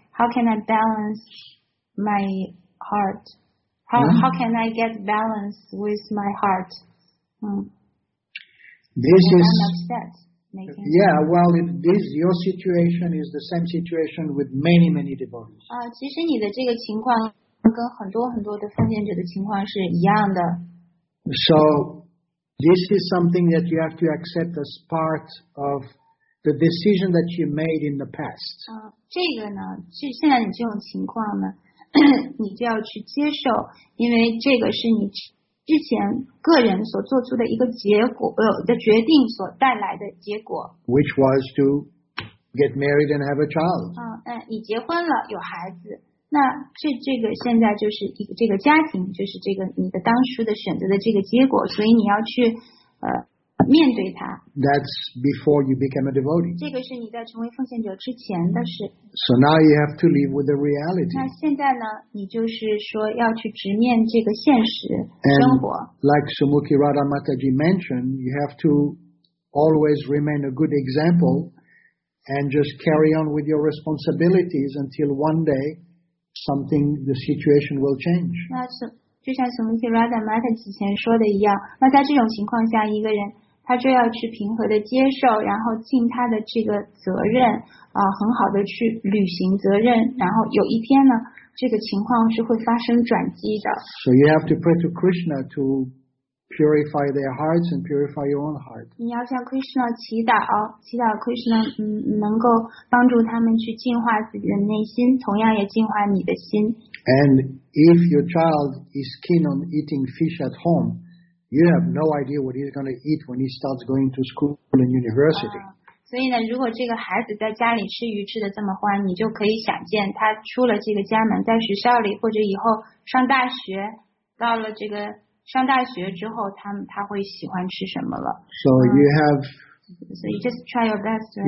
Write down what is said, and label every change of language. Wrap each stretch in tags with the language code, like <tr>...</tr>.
<en>How can I balance my heart? How can I get balance with my heart? I'm upset. Yeah, well, your situation is the same situation with many, many devotees.</en> <zh>其实你的这个情况跟很多很多的奉献者的情况是一样的。</zh> <en>So, this is something that you have to accept as part of the decision that you made in the past.</en> <zh>这个呢，就现在你这种情况呢，你就要去接受，因为这个是你。之前个人所做出的一个结果的决定所带来的结果</zh> <en>，which was to get married and have a child.</en> <zh>你结婚了，有孩子，那这个现在就是一个这个家庭，就是这个你的当初的选择的这个结果，所以你要去面对它。</zh> <en>That's before you became a devotee.</en> <zh>这个是你在成为奉献者之前的事。</zh> <en>So now you have to live with the reality.</en> <zh>那现在呢，你就是说要去直面这个现实生活。</zh> <en>Like Sumukhi Radha Mataji mentioned, you have to always remain a good example and just carry on with your responsibilities until one day the situation will change.</en> <zh>那是就像 Sumukhi Radha Mataji 之前说的一样，那在这种情况下，一个人他就要去平和的接受，然后尽他的这个责任很好的去履行责任，然后有一天呢，这个情况是会发生转机的。</zh> <en>So you have to pray to Krishna to purify their hearts and purify your own heart.</en> <zh>你要向 Krishna 祈祷，祈祷 Krishna 能够帮助他们去净化自己的内心，同样也净化你的心。</zh> <en>And if your child is keen on eating fish at home,You have no idea what he's going to eat when he starts going to school and university.</en> <zh>所以呢，如果这个孩子在家里吃鱼吃的这么欢，你就可以想见他出了这个家门，在学校里或者以后上大学，到了这个上大学之后，他会喜欢吃什么了。</zh> <en>So you have. So you just try your best.、Right?</en>